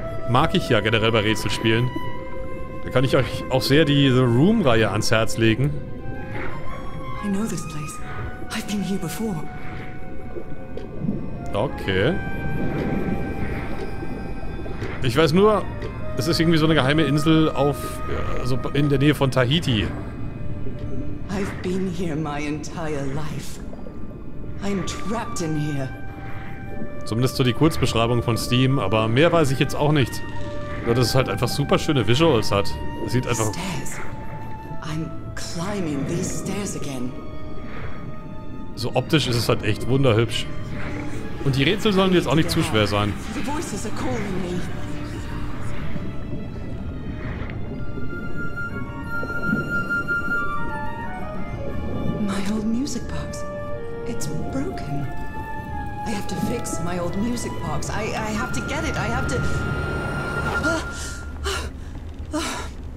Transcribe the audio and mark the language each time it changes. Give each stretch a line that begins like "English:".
German: Mag ich ja generell bei Rätselspielen. Da kann ich euch auch sehr die The Room-Reihe ans Herz legen.
English: I know this place. I've been here before. Okay.
German: Ich weiß nur, es ist irgendwie so eine geheime Insel auf, also in der Nähe von Tahiti.
English: I've been here my entire life. I'm trapped in here.
German: Zumindest so die Kurzbeschreibung von Steam, aber mehr weiß ich jetzt auch nicht. Nur, dass es halt einfach super schöne Visuals hat. Es sieht einfach.
English: I'm climbing these stairs again.
German: So optisch ist es halt echt wunderhübsch. Und die Rätsel sollen jetzt auch nicht zu schwer sein.
English: The voices are calling me. My old music box. It's broken. I have to fix my old music box. I have to get it. I have to.